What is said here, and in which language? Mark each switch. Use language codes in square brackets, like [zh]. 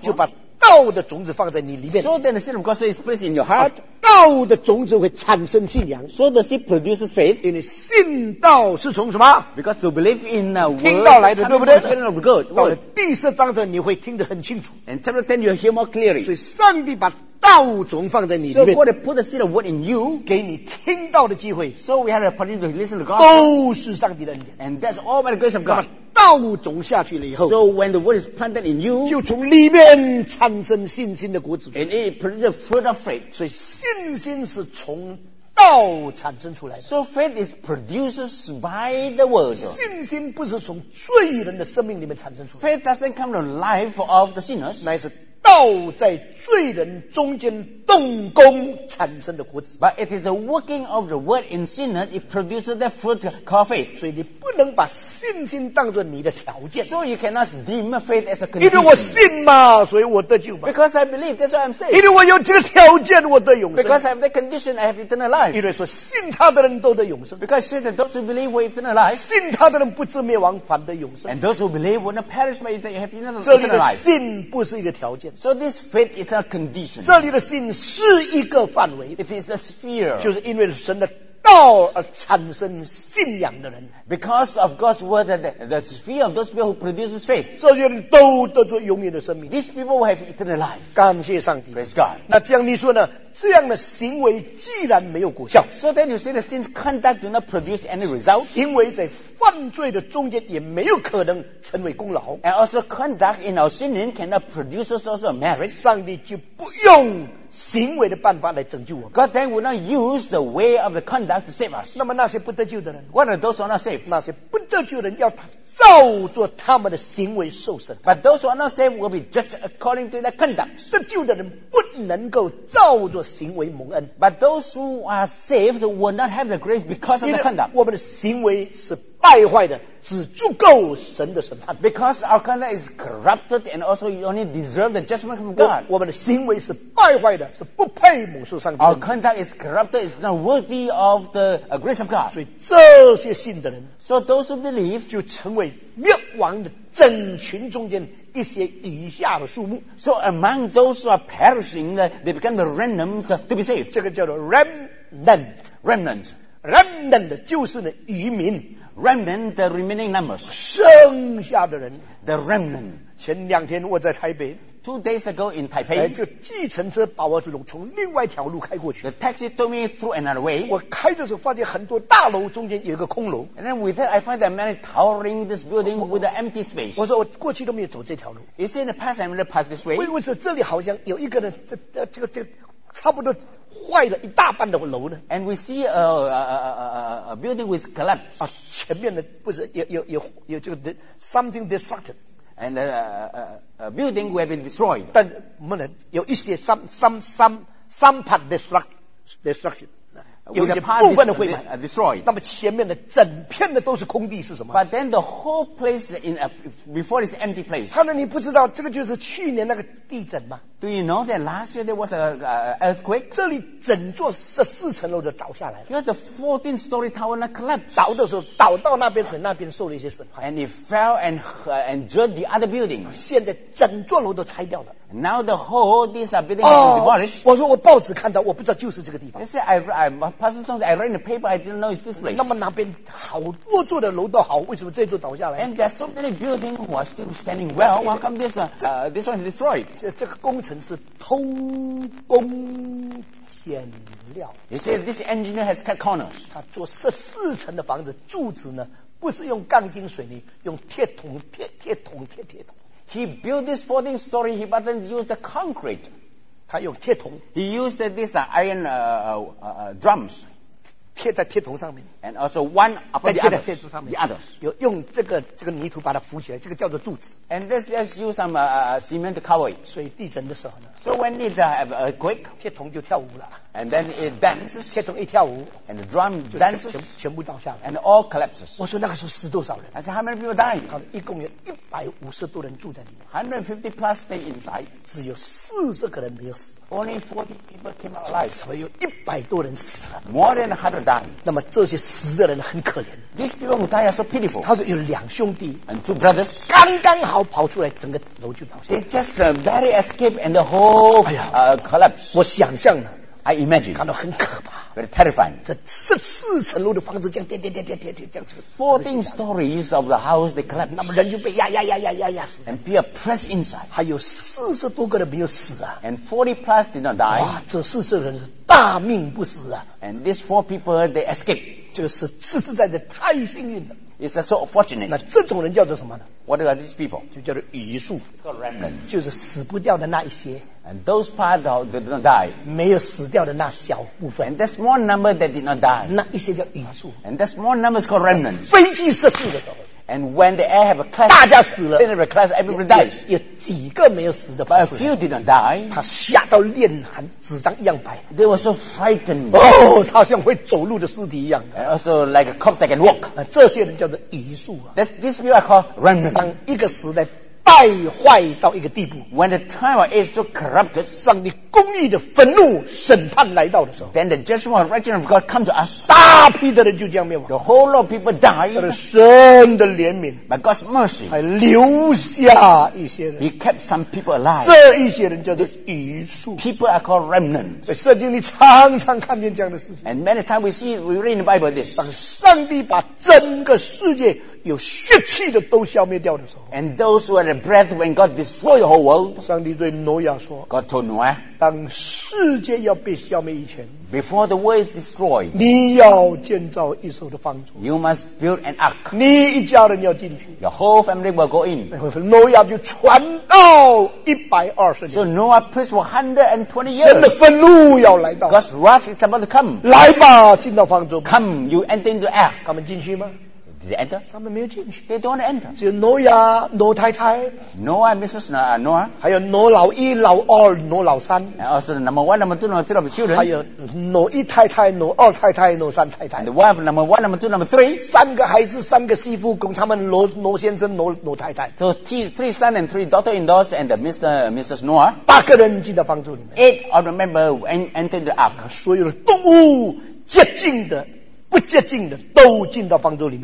[zh] 就把道的种子放在你里面。 [en] So then the seed of God is placed in your heart. [zh] 道的种子会产生信仰。 [en] So the seed produces faith. [zh] 因为信道是从什么？ [en] Because to believe in the word. [zh] 听到来的，对不对？ [en] Hearing of God. [zh] 到了第四章的，你会听得很清楚。 [en] And chapter 10 you hear more clearly. [zh] 所以上帝把道种放在你里面。 [en] So God put the seed of word in you. [zh] 给你听到的机会。 [en] So we have the opportunity to listen to God. [zh] 都是上帝的恩典。 [en] And that's all by the grace of God. [zh] 道种下去了以后， [en] so when the word is planted in you, [zh] 就从里面产生信心的果子。 [en] And it produces fruit of faith. [zh] 所以信心是从道产生出来的。 [en] So faith is produced by the word. [zh] 信心不是从罪人的生命里面产生出来的。 [en] Faith doesn't come to life of the sinners. [zh] 乃是道在罪人中间动工产生的果子。 [en] But it is the working of the word in sinners, it produces the fruit called faith. [zh] 所以你不能把信心当作你的条件。 [en] So you cannot deem faith as a condition. [zh] 因为我信嘛，所以我得救嘛。 [en] Because I believe, that's why I'm saved. [zh] 因为我有这个条件，我得永生。 [en] Because I have the condition, I have eternal life. [zh] 因为说信他的人都得永生。 [en] Because say that those who believe will have eternal life. [zh] 信他的人不至灭亡，反得永生。 [en] And those who believe will not perish, but they have eternal life. [zh] 这里的信不是一个条件。 [en] So this faith is a condition. [zh] 这里的信是一个范围。 [en] It is a sphere. [zh] 就是因为神的道而产生信仰的人。 [en] Because of God's word, the sphere of those people who produces faith. [zh] 这些人都得着永远的生命。 [en] These people will have eternal life. [zh] 感谢上帝。 [en] Praise God. [zh] 那这样你说呢？这样的行为既然没有果效。 [en] So then you say the sin's conduct do not produce any result. [zh] 行为在犯罪的中间也没有可能成为功劳。 [en] And also conduct in our sinning cannot produce also a merit. [zh] 上帝就不用行为的办法来拯救我们。 [en] God then will not use the way of the conduct to save us. [zh] 那么那些不得救的人， [en] What are those who are not saved? [zh] 那些不得救的人要照着他们的行为受审判。 [en] But those who are not saved will be judged according to their conduct. [zh] 得救的人不能够照着行为蒙恩。 [en] But those who are saved will not have the grace because of the conduct. [zh] 我们的行为是败坏的，只足够神的审判。 [en] Because our conduct is corrupted and also you only deserve the judgment from God. [zh] 我们的行为是败坏的，是不配蒙受上帝的。 [en] Our conduct is corrupted, is not worthy of the grace of God. [zh] 所以这些信的人， [en] so those who believe [zh] 就成为灭亡的整群中间一些余下的数目。 [en] So among those who are perishing, they become the remnants to be saved. [zh] 这个叫做 remnant. [en] Remnant. [zh] Remnant 就是呢余民。 [en] Remnant, the remaining numbers. [zh] 剩下的人， [en] the remnant. [zh] 前两天我在台北， [en] Two days ago in Taipei, [zh] 就计程车把我从另外一条路开过去。 [en] The taxi took me through another way. [zh] 我开的时候发现很多大楼中间有一个空楼。 [en] And then with that, I find that many towering this building with an empty space. [zh] 我说我过去都没有走这条路。 [en] You see, in the past, I've never passed this way. [zh] 我说这里好像有一个人，这差不多坏了一大半的楼呢。 [en] And we see a building with collapse. [zh] 啊，前面的不是有这个 [en] something destructed. And a building will have been destroyed. [zh] 但不能有一些 [en] some part destruction. [zh] 有一些部分的毁灭 [en] destroyed. [zh] 那么前面的整片的都是空地是什么？ [en] But then the whole place in before is empty place. [zh] 看来你不知道这个就是去年那个地震吗？ [en] Do you know that last year there was an earthquake? [zh] 这里整座14层楼就倒下来了。 [en] Because the 14th story tower collapsed. [zh] 倒的时候倒到那边，所以那边受了一些损害。 [en] And it fell and injured the other building. [zh] 现在整座楼都拆掉了。 [en] Now the whole these buildings have been demolished. [zh] 我说我报纸看到，我不知道就是这个地方。 [en] You see, I passed through, I read in the paper, I didn't know it's this place. [zh] 那么那边好多座的楼都好，为什么这座倒下来？ [en] And there are so many buildings who are still standing well. How come this one is destroyed? [zh] 这个工程是偷工天料。 [en] He says this engineer has cut corners. [zh] 他做14层的房子，柱子呢不是用钢筋水泥，用铁桶铁桶。 [en] He built this 14 story. He doesn't use the concrete. [zh] 他用铁桶。 [en] He used this iron drums. [zh] 贴在铁桶上面。 [en] And also one upon the others. [zh] 在铁柱上面。 [en] The others. [zh] 有用这个泥土把它扶起来，这个叫做柱子。 [en] And let's just use some cement to cover it. [zh] 所以地震的时候呢。 [en] So when it have a quake, [zh] 铁桶就跳舞了。 [en] And then it dances. [zh] 铁桶一跳舞。 [en] And the drum dances. [zh] 全部倒下来。 [en] And all collapses. [zh] 我说那个时候死多少人。 [en] I said how many people died? [zh] 好的，一共有150多人住在里面。 [en] 150 plus stay inside. [zh] 只有40个人没有死。 [en] Only 40 people came out alive. [zh] 所以有100多人死了。 [en] More than 100 died. [zh] 那么这些死的人很可怜。 [en] These people who died are so pitiful. [zh] 他说有两兄弟。 [en] And two brothers. [zh] 刚刚好跑出来，整个楼就倒下来。 [en] They just barely escape and the whole collapse. [zh] 我想象了。 [en] I imagine. [zh] 感到很可怕。 [en] Very terrifying. [zh] 这14层楼的房子这样跌跌跌跌跌跌这样子。 [en] 14 stories of the house they collapsed. [zh] 那么人就被压压压压压压死。 [en] And people pressed inside. [zh] 还有40多个人没有死啊。 [en] And 40 plus did not die. [zh] 哇，这40人是大命不死啊。 [en] And these four people, they escaped. [zh] 就是实实在在太幸运了。 [en] It's so fortunate. [zh] 那这种人叫做什么呢？ [en] What are these people? [zh] 就叫做余数。 [en] It's called remnant. [zh] 就是死不掉的那一些。 [en] And those part of that did not die. [zh] 没有死掉的那小部分。 [en] And that small number that did not die. [zh] 那一些叫余数。 [en] And that small number is called remnant. [zh] 飞机失事的时候。 [en] And when the air have a crash, [zh] 大家死了。 [en] Then have a crash, everybody dies. [zh] 有几个没有死的。 [en] But a few did not die. [zh] 他吓到脸很纸张一样白。 [en] They were so frightened. [zh] 哦，他像会走路的尸体一样。 [en] And also like a corpse that can walk. [zh] 这些人叫做余数啊。 [en] These people are called remnant. [zh] 当一个时代败坏到一个地步。 [en] When the time of age is so corrupted, [zh] 上帝公义的愤怒审判来到的时候。 [en] Then the judgment of righteousness of God come to us. [zh] 大批的人就这样灭亡。 [en] The whole lot of people died. [zh] 他的神的怜悯。 [en] By God's mercy. [zh] 还留下一些人。 [en] He kept some people alive. [zh] 这一些人叫做余数。 [en] People are called remnants. [zh] 在圣经里常常看见这样的事情。 [en] And many times we read in the Bible this. [zh] 当上帝把整个世界有血气的都消灭掉的时候。 [en] And those who are the breath when God destroyed the whole world. [zh] 上帝对挪亚说。 [en] God told Noah. [zh] 当世界要被消灭以前。 [en] Before the world is destroyed. [zh] 你要建造一艘的方舟。 [en] You must build an ark. [zh] 你一家人要进去。 [en] Your whole family will go in. [zh] 挪亚就传道120年。 [en] So Noah preached for 120 years. [zh] 神的愤怒要来到。 [en] God's wrath is about to come. [zh] 来吧，进到方舟。 [en] Come, you enter into ark. [zh] 他们进去吗？ [en] Did they enter? [zh] 他们没有进去。 [en] They don't enter. [zh] 只有挪亚、挪太太。 [en] Noah, Mrs. Noah. [zh] 还有挪老一、老二、挪老三。 [en] And also number one, number two, number three of the children. [zh] 还有挪一太太、挪二太太、挪三太太。 [en] And the wife, number one, number two, number three. [zh] 三个孩子、三个媳妇，供他们挪先生、挪太太。 [en] So three sons and three daughter-in-laws and Mr. Mrs. Noah. [zh] 八个人进到方舟里面。 [en] Eight of the members entered the ark. [zh] 所有的动物接近的。不接近的都进到方舟里面。